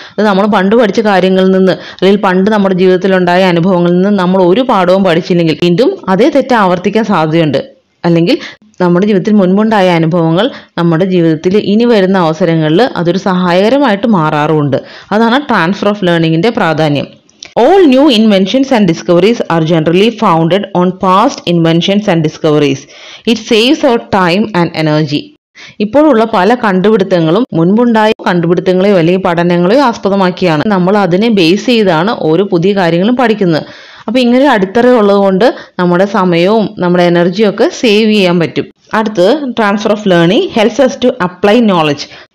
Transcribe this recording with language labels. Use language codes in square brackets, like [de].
[ml] അത് നമ്മൾ പണ്ട് പഠിച്ച കാര്യങ്ങളിൽ നിന്ന് അല്ലെങ്കിൽ പണ്ട് നമ്മുടെ ജീവിതത്തിലുണ്ടായ അനുഭവങ്ങളിൽ നിന്ന് നമ്മൾ ഒരു പാഠവും പഠിച്ചില്ലെങ്കിൽ വീണ്ടും അതേ തെറ്റ് ആവർത്തിക്കാൻ സാധ്യതയുണ്ട്. അല്ലെങ്കിൽ നമ്മുടെ ജീവിതത്തിൽ മുൻപുണ്ടായ അനുഭവങ്ങൾ നമ്മുടെ ജീവിതത്തിൽ ഇനി വരുന്ന അവസരങ്ങളിൽ അതൊരു സഹായകരമായിട്ട് മാറാറുമുണ്ട്. അതാണ് ട്രാൻസ്ഫർ ഓഫ് ലേണിങ്ങിൻ്റെ പ്രാധാന്യം. [en] All new inventions and discoveries are generally founded on past inventions and discoveries. It saves our time and energy. [ml] ഇപ്പോഴുള്ള പല കണ്ടുപിടുത്തങ്ങളും മുൻപുണ്ടായ കണ്ടുപിടുത്തങ്ങളെയോ അല്ലെങ്കിൽ പഠനങ്ങളെയോ ആസ്പദമാക്കിയാണ് നമ്മൾ അതിനെ ബേസ് ചെയ്താണ് ഓരോ പുതിയ കാര്യങ്ങളും പഠിക്കുന്നത്. അപ്പോൾ ഇങ്ങനെ അടിത്തറ ഉള്ളത് കൊണ്ട് നമ്മുടെ സമയവും നമ്മുടെ എനർജിയും ഒക്കെ സേവ് ചെയ്യാൻ പറ്റും. അടുത്തത്, [en] Transfer of learning helps us to apply knowledge.